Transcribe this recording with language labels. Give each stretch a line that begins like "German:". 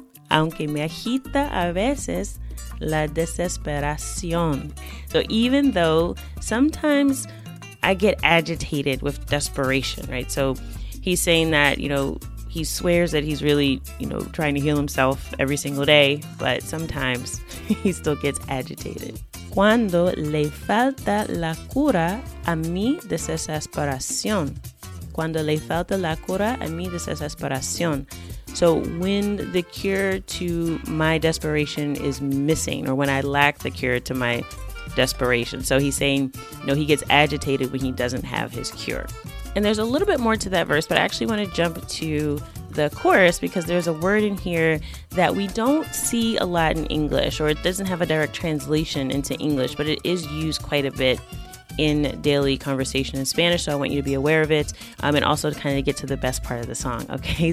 Spanish: Aunque me agita a veces la desesperación.
English: So even though sometimes I get agitated with desperation, right? So he's saying that, you know, he swears that he's really, you know, trying to heal himself every single day, but sometimes he still gets agitated.
Spanish: Cuando le falta la cura a mi desesperación. Cuando le falta la cura a mi desesperación.
English: So when the cure to my desperation is missing, or when I lack the cure to my desperation. So he's saying, you know, he gets agitated when he doesn't have his cure. And there's a little bit more to that verse, but I actually want to jump to the chorus, because there's a word in here that we don't see a lot in English, or it doesn't have a direct translation into English, but it is used quite a bit in daily conversation in Spanish, so I want you to be aware of it, and also to kind of get to the best part of the song, okay?